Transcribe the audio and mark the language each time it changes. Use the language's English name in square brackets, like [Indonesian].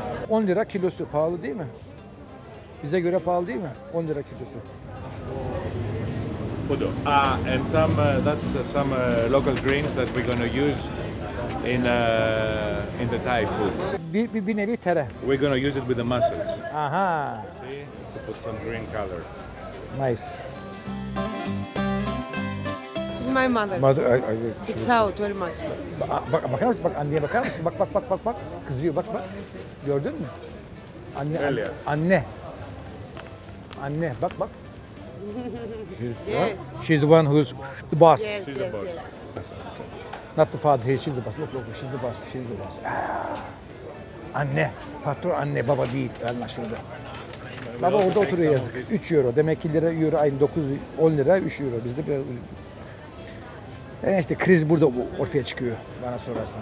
[Turkish] 10 lira kilosu, pahalı değil mi? Bize göre pahalı değil mi? 10 lira kilosu. Budu. [English] Ah, and some that's some local greens that we're gonna use in the Thai food. [Turkish] Bir nevi tere. [English] We're gonna use it with the mussels. Aha. See, to put some green color. Nice. My mother. It's out very much. [Turkish] Bakar mısın? Bak anneye bakar mısın? Bak. Kızıyor, bak. Gördün mü? Anne. Anne, bak. [English] She's, yes. She's the one who's the boss. Yes, yes. Not the father, she's the boss. Look, she's the boss. Ah. [Turkish] Anne, patron anne, baba değil. Anlaşıldı. Baba orada oturuyor yazık. 3 euro. Demek ki lira, euro aynı. 9, 10 lira, 3 euro. Bizde biraz... Yani işte kriz burada ortaya çıkıyor bana sorarsan.